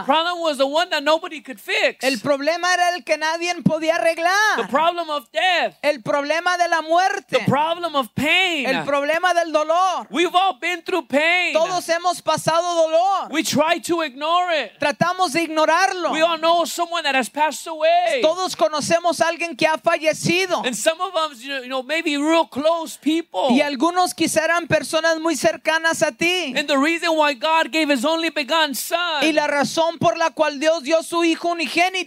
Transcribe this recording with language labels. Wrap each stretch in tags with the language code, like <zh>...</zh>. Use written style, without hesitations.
<en>The problem was the one that nobody could fix.</en> <es>El problema era el que nadie podía arreglar.</es> <en>Problem of death.</en> <es>El problema de la muerte.</es> <en>The problem of pain.</en> <es>El problema del dolor.</es> <en>We've all been through pain.</en> <es>Todos hemos pasado dolor.</es> <en>We try to ignore it.</en> <es>Tratamos de ignorarlo.</es> <en>We all know someone that has passed away.</en> <es>Todos conocemos a alguien que ha fallecido.</es> <en>And some of us, you know, maybe real close people.</en> <es>Y algunos quizá eran personas muy cercanas a ti.</es> <en>And the reason why God gave his only begotten son.</en> <es>Y la razón por la cual Dios dio su hijo unigénito.</es>